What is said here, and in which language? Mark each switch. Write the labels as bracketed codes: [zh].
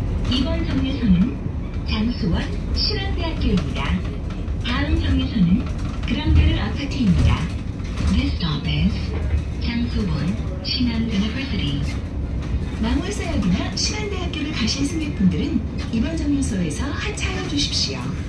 [ko] 이번 정류소는 장수원 신한대학교입니다. 다음 정류소는 그랑베를 아파트입니다. [en] This stop is 장수원 신한대학교. [ko] 나무에서 여기나 신한대학교를 가실 승객분들은 이번 정류소에서 하차해 주십시오.